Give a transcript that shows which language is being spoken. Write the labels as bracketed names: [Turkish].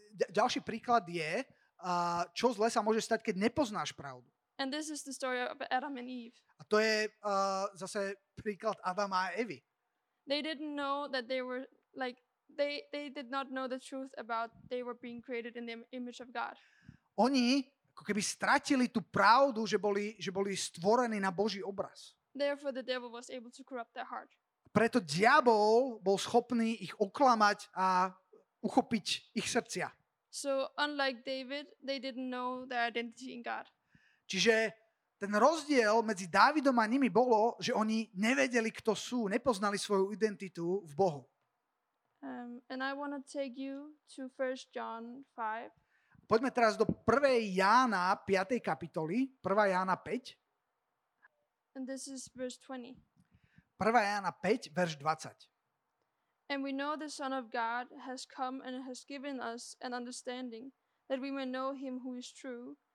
[Slovak] Ďalší príklad je, čo zle sa môže stať, keď nepoznáš pravdu. [English] And this is the story of Adam and Eve. [Slovak] A to je zase príklad Adama a Evy. [English] They didn't know that they were like they did not know the truth about they were being created in the image of God. [Slovak] Oni ako keby stratili tú pravdu, že boli stvorení na Boží obraz. [English] Therefore the devil was able to corrupt their heart. [Slovak] Preto diabol bol schopný ich oklamať a uchopiť ich srdcia. [English] So unlike David, they didn't know their identity in God. [Slovak] Čiže ten rozdiel medzi Dávidom a nimi bolo, že oni nevedeli, kto sú, nepoznali svoju identitu v Bohu. [English] And I want to take you to 1 John 5. [Slovak] Poďme teraz do 1. Jána 5. kapitoly, 1. Jána 5. [English] And this is verse 20. [Slovak] 1. Jána 5, verš 20. [English] And we know the Son of God has come and has given us an understanding that we may know him who is true.